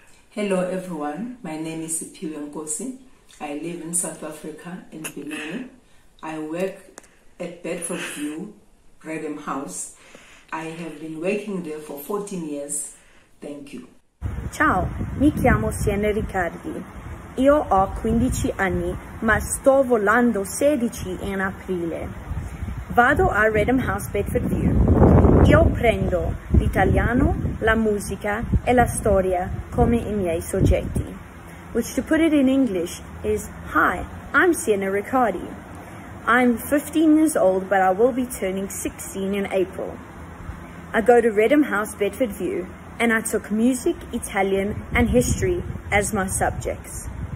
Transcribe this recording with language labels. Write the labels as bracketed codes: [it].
[en] Hello everyone, my name is Siphiwe Nkosi, I live in South Africa, in Benoni, I work at Bedfordview, Reddam House, I have been working there for 14 years, thank you. [it] Ciao, mi chiamo Siena Riccardi. Io ho 15 anni, ma sto volando 16 in aprile. Vado a Reddam House Bedfordview. Io prendo l'italiano, la musica e la storia come I miei soggetti. [en] Which to put it in English is, Hi, I'm Siena Riccardi. I'm 15 years old, but I will be turning 16 in April. I go to Reddam House Bedfordview. And I took music, Italian, and history as my subjects.